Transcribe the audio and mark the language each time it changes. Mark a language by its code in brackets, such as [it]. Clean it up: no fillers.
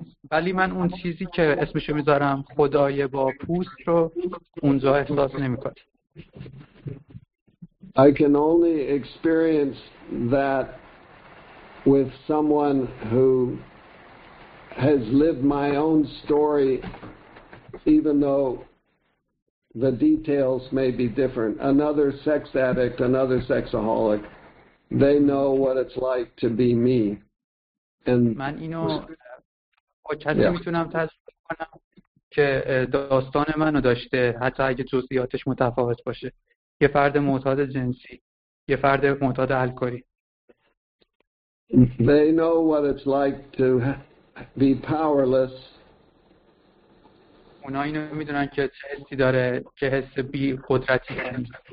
[fa] ولی من اون چیزی که اسمشو میذارم خدای با پوست رو اونجا احساس نمیکنم. [en] I can only experience that with someone who has lived my own story, even though the details may be different. Another sex addict, another sexaholic, they know what it's like to be me. And [fa] من اینو با کسی میتونم تجربه کنم که داستان منو داشته، حتی اگه جزئیاتش متفاوت باشه. یه فرد معتاد جنسی، یه فرد معتاد الکلی. [en] They know what it's like to be powerless. [fa] اونا اینو میدونن که چه حسی داره، چه حس بی قدرتی داره.